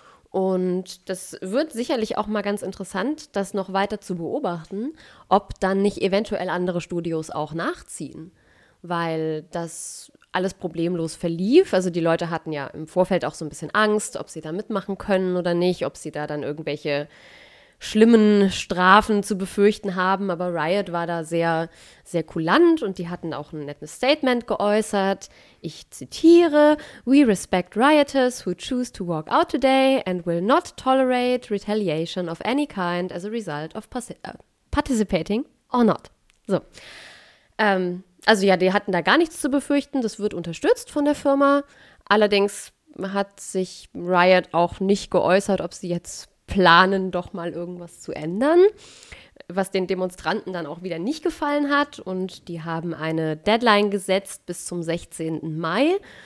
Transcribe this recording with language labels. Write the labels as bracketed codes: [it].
[de] Und das wird sicherlich auch mal ganz interessant, das noch weiter zu beobachten, ob dann nicht eventuell andere Studios auch nachziehen, weil das alles problemlos verlief. Also die Leute hatten ja im Vorfeld auch so ein bisschen Angst, ob sie da mitmachen können oder nicht, ob sie da dann irgendwelche schlimmen Strafen zu befürchten haben. Aber Riot war da sehr, sehr kulant und die hatten auch ein nettes Statement geäußert. [en] Ich zitiere: "We respect rioters who choose to walk out today and will not tolerate retaliation of any kind as a result of participating or not." [de] So. Also ja, die hatten da gar nichts zu befürchten, das wird unterstützt von der Firma. Allerdings hat sich Riot auch nicht geäußert, ob sie jetzt planen, doch mal irgendwas zu ändern, was den Demonstranten dann auch wieder nicht gefallen hat. Und die haben eine Deadline gesetzt bis zum 16. Mai.